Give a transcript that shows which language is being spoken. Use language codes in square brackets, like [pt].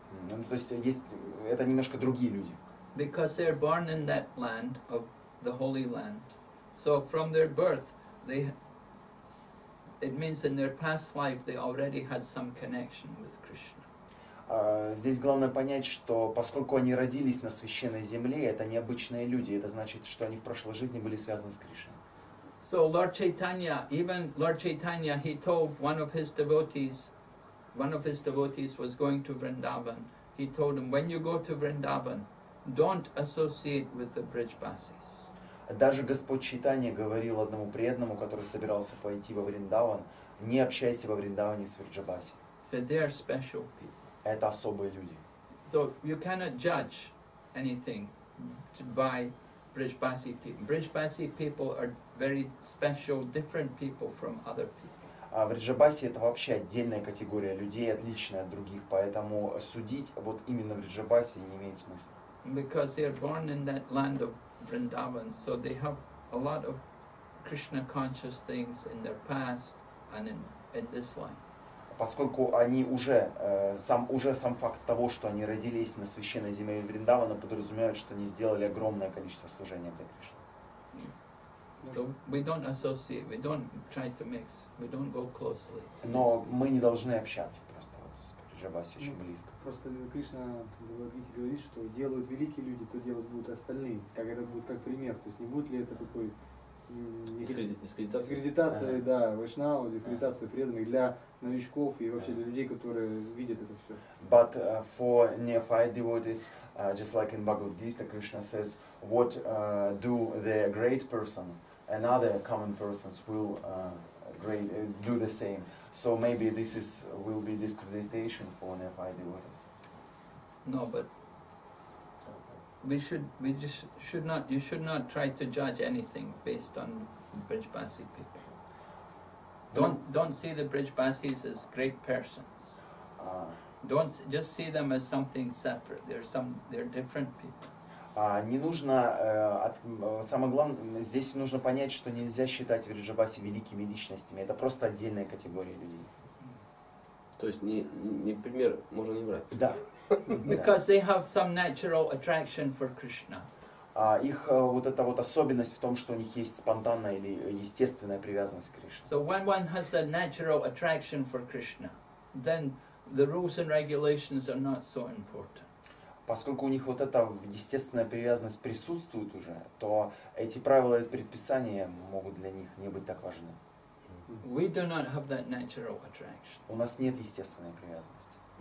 [ru] Ну, то есть есть это немножко другие люди. [en] Because they are born in that land of the holy land, so from their birth, it means in their past life they already had some connection with Krishna. [ru] Здесь главное понять, что поскольку они родились на священной земле, это необычные люди, это значит, что они в прошлой жизни были связаны с Кришной. [en] So Lord Chaitanya, even Lord Chaitanya, he told one of his devotees was going to Vrindavan. He told him, when you go to Vrindavan, don't associate with the bridge basis. [ru] Даже Господь Чайтанья говорил одному преданному, который собирался пойти во Вриндаван, не общайся во Вриндаване с bridge basi. [en] So they are special people. [ru] Это особые люди. [en] So you cannot judge anything by bridge basi people. Bridge basi people are very special, different people from other people. [ru] А bridge basi это вообще отдельная категория людей, отличная от других, поэтому судить вот именно bridge basi не имеет смысла. [en] Because they are born in that land of Vrindavan, so they have a lot of Krishna conscious things in their past and in this life. [ru] Поскольку они уже, сам факт того, что они родились на священной земле Вриндавана, подразумевает, что они сделали огромное количество служения для Кришны. [en] So we don't associate, we don't try to mix, we don't go closely. [ru] Но мы не должны общаться просто вот с Бриджабаси очень близко. Просто Кришна говорит, что делают великие люди, то делать будут остальные, как это будет как пример. То есть не будет ли это такой дискредитация, да, вайшнава, дискредитация преданных для новичков и вообще для людей, которые видят это все. [en] But for neophyte devotees, just like in Bhagavad Gita, Krishna says, what do the great person and other common persons will do the same? So maybe this is will be discreditation for neophyte devotees. No, but you should not try to judge anything based on bridge basi people. Don't see the bridge basis as great persons. Just see them as something separate. They're different people. [ru] Не нужно, самое главное, здесь нужно понять, что нельзя считать bridge basi великими личностями. Это просто отдельная категория людей. То есть не пример можно не брать. Да. [en] Because they have some natural attraction for Krishna. [ru] Их вот эта вот особенность в том, что у них есть спонтанная или естественная привязанность к Кришне. [en] So when one has a natural attraction for Krishna, then the rules and regulations are not so important. [ru] Поскольку у них вот эта естественная привязанность присутствует уже, то эти правила и предписания могут для них не быть так важны. [en] We do not have that natural attraction. [ru] У нас нет естественной привязанности.